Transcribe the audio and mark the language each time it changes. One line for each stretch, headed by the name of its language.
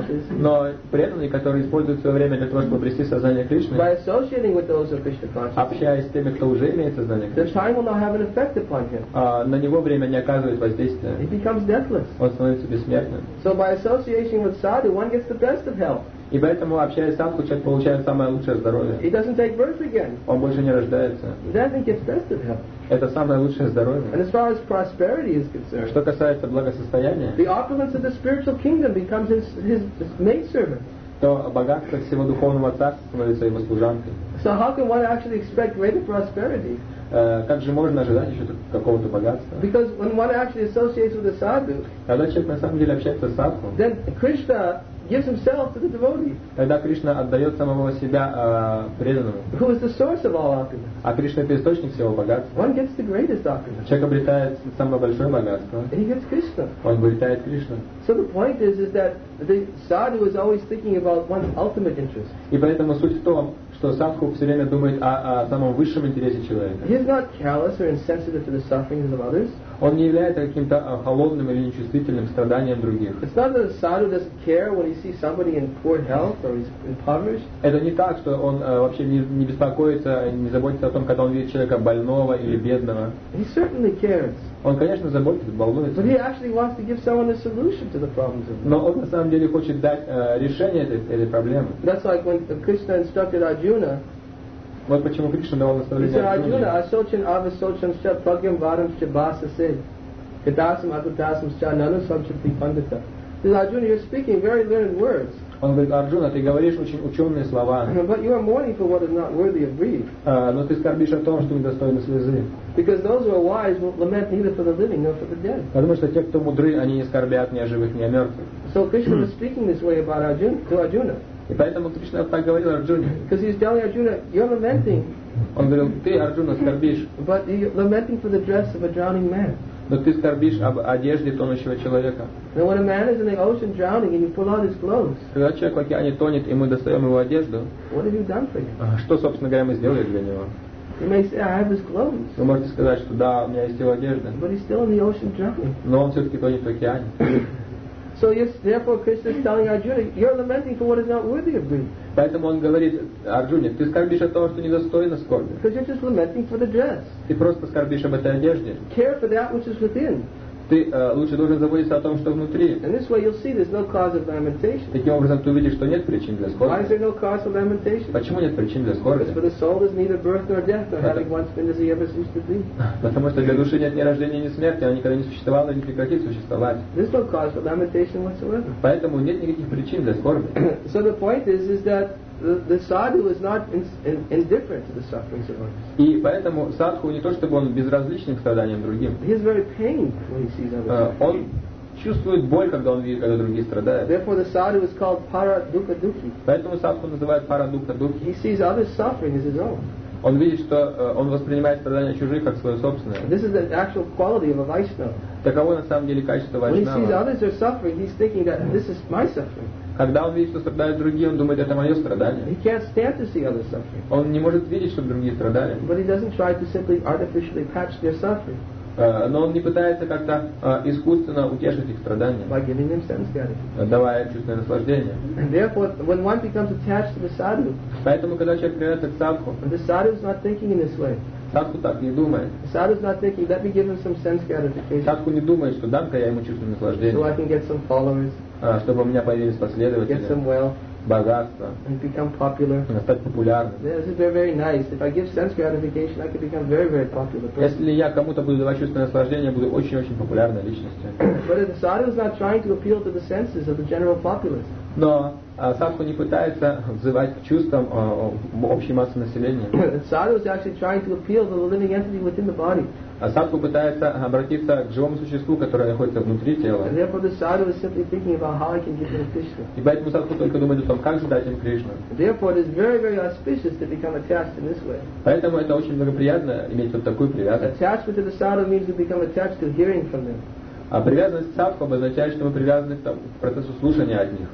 Russian: Но преданный, который использует свое время для того, чтобы обрести сознание Кришны, общаясь с теми, кто уже имеет сознание Кришны, на него время не оказывает воздействия. Он становится бессмертным.
English: So by association with sadhu, one gets the best of health.
Russian: И поэтому, общаясь с садху, человек получает самое лучшее здоровье.
English: He doesn't take birth again.
Russian: Он больше не рождается.
English: Then he gets best of health.
Russian: Это самое лучшее здоровье.
English: And as far as prosperity is concerned,
Russian: что касается благосостояния,
English: the opulence of the spiritual kingdom becomes his maidservant.
Russian: То богатство всего духовного царства становится его служанкой.
English: So how can one actually expect greater prosperity?
Russian: Как же можно ожидать еще какого-то богатства?
English: Because when one actually associates with the sadhu,
Russian: когда человек на самом деле общается с садху,
English: then Krishna gives himself to the devotee.
Russian: Тогда Кришна отдает самого себя преданному.
English: Who is the source of all opulence?
Russian: А Кришна это источник всего богатства.
English: One gets the greatest opulence.
Russian: Человек обретает самое большое богатство.
English: And he gets Krishna.
Russian: Он обретает Кришну.
English: So the point is that the sadhu is always thinking about one's ultimate interest.
Russian: И поэтому суть в том, что садху все время думает о самом высшем интересе человека.
English: He is not callous or insensitive to the sufferings of others.
Russian: Он не является каким-то холодным или нечувствительным страданием других.
English: It's not that a sadhu doesn't care when he sees somebody in poor health or he's impoverished.
Russian: Это не так, что он вообще не беспокоится, не заботится о том, когда он видит человека больного или бедного.
English: He certainly cares.
Russian: Он, конечно, заботится, волнуется.
English: But he actually wants to give someone a solution to the problems of life.
Russian: Но он на самом деле хочет дать решение этой проблемы.
English: That's like when Krishna instructed Arjuna.
Russian: Вот почему Кришна давал наставление
Sanskrit: Арджуне.
English: He said, Arjuna,
Sanskrit: asochin avasochin scha pagyam varam scha basa sid. Kadasam adutasam scha nanusam scha pripandita.
English: He said, Arjuna, you're speaking very learned words.
Russian: Он говорит, Арджуна, ты говоришь очень ученые слова.
English: But you are mourning for what is not worthy of grief.
Russian: Но ты скорбишь о том, что недостойно слезы.
English: Because those who are wise won't lament neither for the living nor for the dead.
Russian: Потому что те, кто мудры, они не скорбят ни о живых, ни о мертвых.
English: So Krishna was speaking this way about Arjuna, to Arjuna.
Russian: И поэтому Кришна так говорил Арджуне.
English: Because he's telling Arjuna, you're lamenting.
Russian: Он говорил, ты, Арджуна, скорбишь.
English: But you're lamenting for the dress of a drowning man.
Russian: Но ты скорбишь об одежде тонущего человека.
English: Now when a man is in the ocean drowning and you pull out his clothes.
Russian: Когда человек в океане тонет и мы достаем его одежду.
English: What have you done for him?
Russian: Что, собственно говоря, мы сделали для него?
English: You may say, I have his clothes.
Russian: Вы можете сказать, что да, у меня есть его одежда.
English: But he's still in the ocean drowning.
Russian: Но он все-таки тонет в океане.
English: So yes, therefore Krishna is telling Arjuna, you're lamenting for what is not worthy of grief.
Russian: Поэтому он говорит, Арджуне, ты скорбишь о том, что недостойно скорби.
English: Because you're just lamenting for the dress.
Russian: Ты просто скорбишь об этой одежде.
English: Care for that which is within.
Russian: Ты лучше должен заботиться о том, что внутри.
English: And this way you'll see there's no cause of lamentation.
Russian: Таким образом ты увидишь, что нет причин для скорби.
English: Why is there no cause for lamentation?
Russian: Почему нет причин для скорби?
English: Because for the soul there's neither birth nor death, nor having once been as he ever ceased to be.
Russian: Потому что для души нет ни рождения, ни смерти, она никогда не существовала и не прекратит существовать.
English: There's no cause for lamentation whatsoever.
Russian: Поэтому нет никаких причин для скорби.
English: So the point is that the sadhu is not indifferent to the sufferings of others.
Russian: И поэтому садху не то чтобы он безразличен к страданиям другим.
English: He is very pained when he sees others.
Russian: Он чувствует боль, когда он видит, когда другие страдают.
English: Therefore, the sadhu is called para dukkha dukhi.
Russian: Поэтому садху называют para dukkha dukhi.
English: He sees others suffering as his own.
Russian: Он видит, что он воспринимает страдания чужих как свое собственное.
English: This is the actual quality of a Vaishnava.
Russian: Таково на самом деле качество Вайшнава.
English: When he sees others are suffering, he's thinking that this is my suffering.
Russian: Когда он видит, что страдают другие, он думает, это мое страдание.
English: He can't stand to see others suffering.
Russian: Он не может видеть, чтобы другие страдали.
English: But he doesn't try to simply artificially patch their suffering.
Russian: Но он не пытается как-то искусственно утешить их страдания.
English: By giving them sense gratification.
Russian: Давая чувственное наслаждение.
English: And therefore, when one becomes attached to the sadhu,
Russian: поэтому, когда человек привязывается к садху,
English: and the sadhu is not thinking in this way.
Russian: Садху так не думает.
English: Sadhu is not thinking, let me give him some sense gratification.
Russian: Садху не думает, что дам-ка я ему чувственное наслаждение.
English: So I can get some followers.
Russian: Чтобы у меня появились последователи.
English: Get some wealth.
Russian: Богатство.
English: And become popular.
Russian: Стать популярным.
English: Yeah, this is very, very nice. If I give sense gratification, I can become very, very popular.
Russian: Если я кому-то буду давать чувственное наслаждение, я буду очень-очень популярной личностью.
English: But the sadhu is not trying to appeal to the senses of the general populace.
Russian: Но садху не пытается взывать к чувствам общей массы населения.
English: Sadhu is actually trying to appeal to the living entity within the body.
Russian: Садху пытается обратиться к живому существу, которое находится внутри тела.
English: And therefore the sadhu is simply thinking about how I can give him Krishna.
Russian: И поэтому садху только думает о том, как же дать им Кришну.
English: Therefore it is very, very auspicious to become attached in this way.
Russian: Поэтому это очень благоприятно иметь вот такую привязанность.
English: Attachment to the sadhu means to become attached to hearing from them.
Russian: А привязанность к садху обозначает, что мы привязаны к процессу слушания от них.